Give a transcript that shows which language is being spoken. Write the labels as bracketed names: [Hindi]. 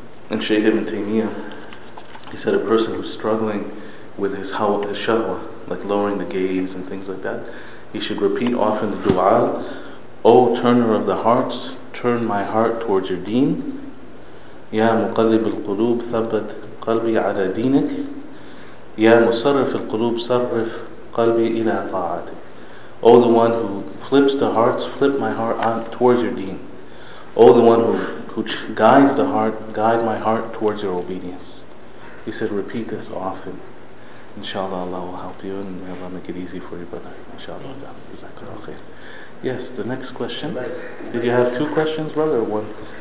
[English] And Shaykh Ibn Taymiyyah, he said a person who's struggling with his shahwa, like lowering the gaze and things like that, he should repeat often the dua, oh turner of the hearts, turn my heart towards your deen. [Arabic] Ya muqallib al-qulub, thabbat qalbi ala deenik. يا مصرف القلوب صرف قلبي إلى طاعتك. [English] O the one who flips the hearts, flip my heart on towards your deen. O the one who guides the heart, guide my heart towards your obedience. He said, repeat this often. Inshallah, Allah will help you, and may Allah make it easy for you, brother. Inshallah, Allah. Jazakallah khair. Yes, the next question. Did you have two questions, brother, or one?